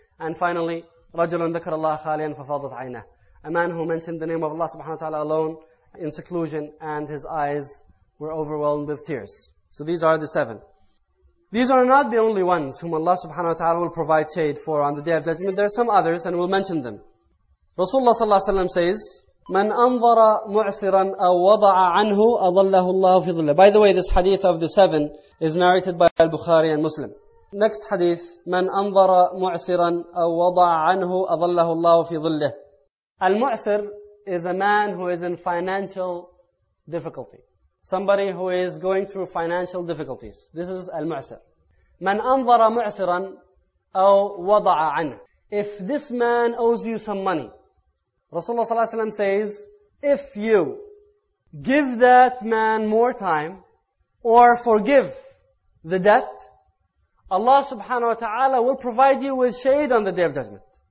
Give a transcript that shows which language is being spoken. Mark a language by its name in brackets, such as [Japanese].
[English] And finally, [Arabic] رَجُلٌ ذَكَرَ اللَّهَ خَالِيًا فَفَاضَتْ عَيْنَهُ, [English] a man who mentioned the name of Allah subhanahu wa ta'ala alone in seclusion and his eyes were overwhelmed with tears. So these are the seven. These are not the only ones whom Allah subhanahu wa ta'ala will provide shade for on the Day of Judgment. There are some others and we'll mention them. Rasulullah sallallahu alayhi wa sallam says, [Arabic] من أنظر معسرا أو وضع عنه أظله الله في ظله. [English] By the way, this hadith of the seven is narrated by Al-Bukhari and Muslim. Next hadith, [Arabic] من أنظر معسرا أو وضع عنه أظله الله في ظله. [English] المعسر is a man who is in financial difficulty. Somebody who is going through financial difficulties. This is Al-Mu'sir. [Arabic] من أنظر معسرا أو وضع عنه. [English] If this man owes you some money, Rasulullah sallallahu alayhi wa sallam says, if you give that man more time or forgive the debt, Allah subhanahu wa ta'ala will provide you with shade on the Day of Judgment.